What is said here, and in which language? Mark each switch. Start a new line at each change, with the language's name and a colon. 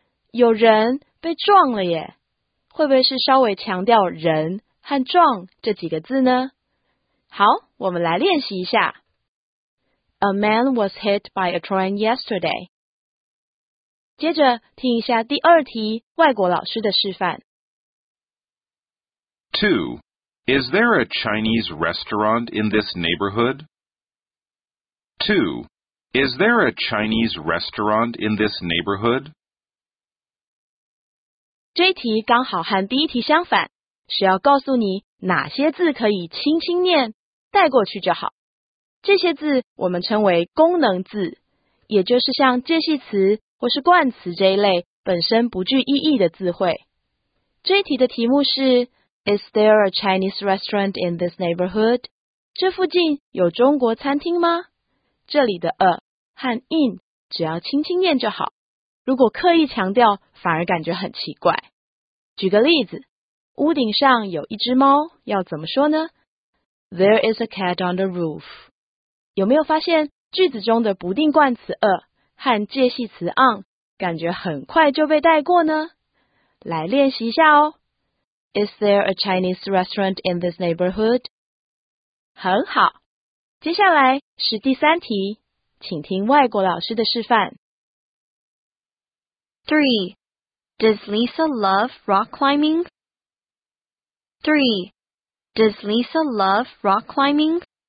Chinese: 有人被撞了耶，会不会是稍微强调人和撞这几个字呢？好，我们来练习一下。
English: A man was hit by a train yesterday.
Chinese: 接着听一下第二题外国老师的示范。
English: 2. Is there a Chinese restaurant in this neighborhood? 2. Is there a Chinese restaurant in this neighborhood?
Chinese: 这题刚好和第一题相反，是要告诉你哪些字可以轻轻念带过去就好。这些字我们称为功能字，也就是像介系词或是冠词这一类本身不具意义的字汇。这一题的题目是
English: Is there a Chinese restaurant in this neighborhood?
Chinese: 这附近有中国餐厅吗？这里的 a 和 in 只要轻轻念就好，如果刻意强调反而感觉很奇怪。举个例子，屋顶上有一只猫，要怎么说呢？
English: There is a cat on the roof.
Chinese: 有没有发现句子中的不定冠词 a 和介系词 on 感觉很快就被带过呢？来练习一下哦。
English: Is there a Chinese restaurant in this neighborhood?
Chinese: 很好。接下来是第三题，请听外国老师的示范。
English: 3. Does Lisa love rock climbing? 3. Does Lisa love rock climbing?